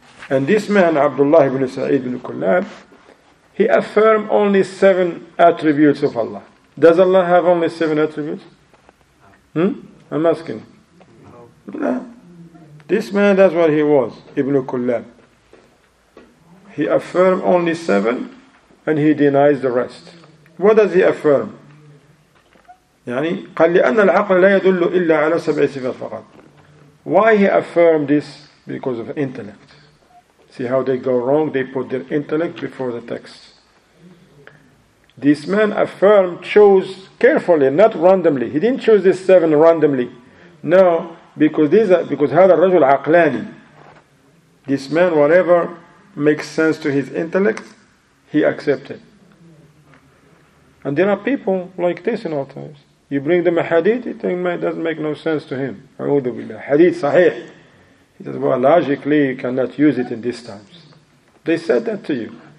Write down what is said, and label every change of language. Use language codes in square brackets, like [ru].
[en] And this man, Abdullah ibn Sa'id ibn Kullab, he affirmed only seven attributes of Allah. Does Allah have only seven attributes? I'm asking. No. This man, that's what he was, Ibn Kullab. He affirmed only seven and he denies the rest. What does he affirm? [ar] يعني قال لأن العقل لا يدل إلا على سبع صفات فقط. [en] Why he affirmed this? Because of intellect. See how they go wrong? They put their intellect before the text. This man affirmed, chose carefully, not randomly. He didn't choose these seven randomly. No, because [ar] هذا الرجل عقلاني. [en] This man, whatever makes sense to his intellect, he accepted. And there are people like this in all times. You bring them a hadith, he thinks it doesn't make no sense to him. A'udhu billah. Hadith sahih. He says, well, logically, you cannot use it in these times. They said that to you.